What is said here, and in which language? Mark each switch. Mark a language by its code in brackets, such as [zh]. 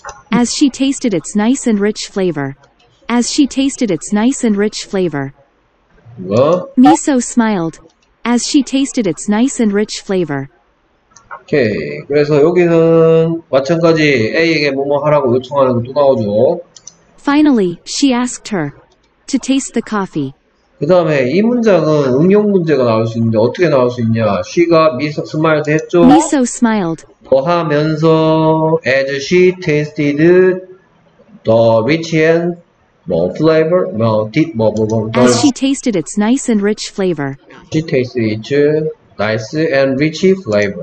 [en] As she tasted its nice and rich flavor. As she tasted its nice and rich flavor. Miso smiled. As she tasted its nice and rich flavor. [ko] 오케이. 그래서 여기는 마찬가지 A에게 뭐뭐 하라고 요청하는 것도 나오죠. [en] Finally, she asked her to taste the coffee. [ko] 그 다음에 이 문장은 응용 문제가 나올 수 있는데 어떻게 나올 수 있냐. She가 미소 스마일드 했죠. [en] Miso smiled. [ko] 뭐 하면서 [en] as she tasted the rich and flavor. As she tasted its nice and rich flavor. She tasted it. Nice and rich flavor.